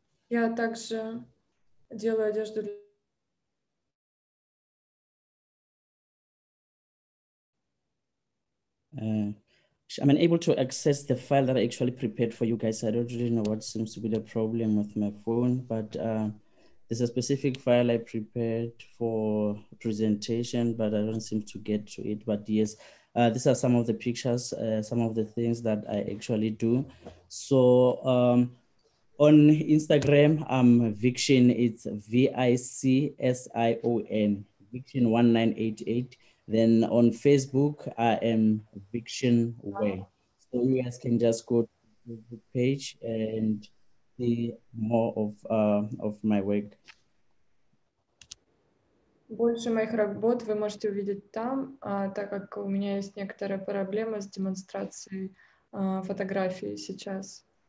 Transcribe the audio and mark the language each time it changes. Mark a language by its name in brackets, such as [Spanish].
[Russian] я также делаю одежду для. [English] I'm unable to access the file that I actually prepared for you guys. I don't really know what seems to be the problem with my phone, but there's a specific file I prepared for presentation, but I don't seem to get to it. But yes, these are some of the pictures, some of the things that I actually do. So on Instagram, I'm Vixen. It's V-I-C-S-I-O-N, Vixen 1988. Then on Facebook, I am Vixen Way. So you guys can just go to the page and see more of my work. [Russian] Больше моих работ вы можете увидеть там, так как у меня есть некоторая проблема с демонстрацией фотографии сейчас.